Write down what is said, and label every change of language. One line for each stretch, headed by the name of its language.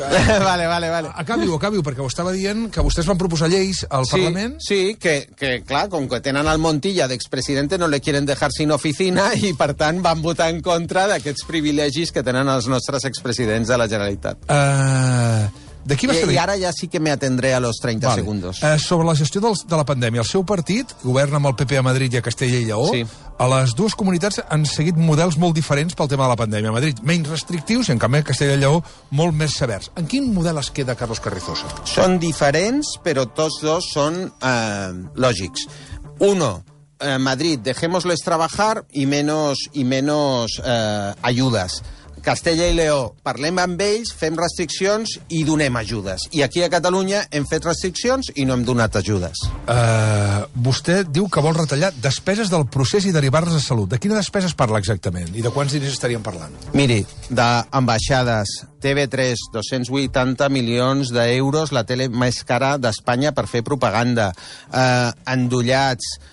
Catalan: Vale. Acabi-ho, perquè ho estava dient, que vostès van proposar lleis al Parlament. Sí, que clar, com que tenen el Montilla d'expresidente,
Spanish: no le quieren dejar sin oficina,
Catalan: i per tant van votar en contra d'aquests privilegis que tenen els nostres expresidents de la Generalitat. I ara ja sí que m'atendré
Spanish: a los 30 segundos.
Catalan: Sobre la gestió de la pandèmia, el seu partit governa amb el PP a Madrid i a Castella i Lleó. Sí. A les dues comunitats han seguit models molt diferents pel tema de la pandèmia. A Madrid, menys restrictius, i en canvi a Castella i Lleó, molt més severs. En quin model es queda Carlos Carrizosa? Són diferents, però tots dos són lògics.
Spanish: Uno, Madrid, dejémosles trabajar y menos ayudas.
Catalan: Castella i Lleó, parlem amb ells, fem restriccions i donem ajudes. I aquí a Catalunya hem fet restriccions i no hem donat ajudes. Vostè diu que vol retallar despeses del procés i derivar-les a salut. De quina despesa es parla exactament? I de quants diners estaríem parlant? Miri, d'ambaixades, TV3, 280 milions d'euros, la tele més cara d'Espanya per fer propaganda. Endollats...